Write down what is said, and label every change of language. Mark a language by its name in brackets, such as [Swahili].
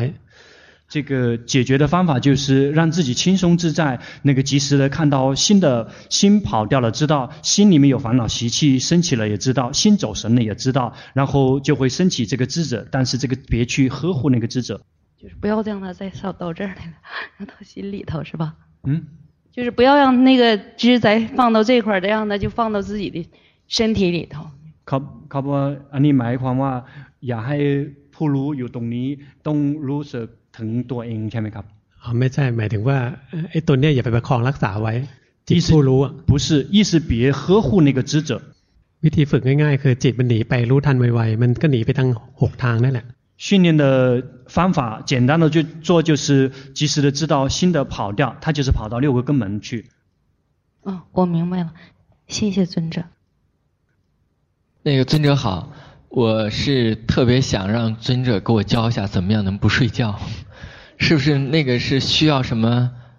[Chinese] 这个解决的方法就是让自己轻松自在那个及时的看到心的心跑掉了知道心里面有烦恼习气升起了也知道心走神了也知道然后就会升起这个知者但是这个别去呵护那个知者就是不要让他再扫到这儿来了让他心里头是吧嗯就是不要让那个知再放到这块儿这样的就放到自己的身体里头 [Thai] ครับว่าอันนี้หมายความว่าอย่าให้ผู้รู้อยู่ตรงนี้ต้องรู้สึกถึงตัวเองใช่ไหมครับ อ๋อไม่ใช่หมายถึงว่าไอ้ตัวเนี้ยอย่าไปประคองรักษาไว้จิตผู้รู้ [Chinese] 不是意思别呵护那个知者 [Thai] วิธีฝึกง่ายๆคือจิตมันหนีไปรู้ทันไวๆมันก็หนีไปทั้ง6ทางนั่นแหละ [Chinese] 训练的方法简单的就做就是及时的知道心的跑掉它就是跑到六个根门去哦我明白了谢谢尊者那个尊者好，我是特别想让尊者给我教一下怎么样能不睡觉，是不是那个是需要什么？